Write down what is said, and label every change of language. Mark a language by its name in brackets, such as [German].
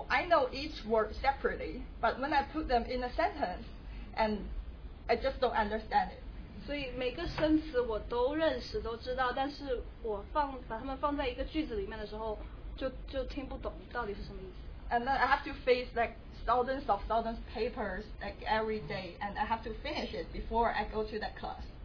[English] I know each word separately, but when I put them in a sentence, and I just don't understand it. [Chinese] 所以每个生词我都认识，都知道，但是我放把它们放在一个句子里面的时候，就听不懂到底是什么意思。 [English] And then I have to face like thousands of papers like every day, and I have to finish it before I go to that class.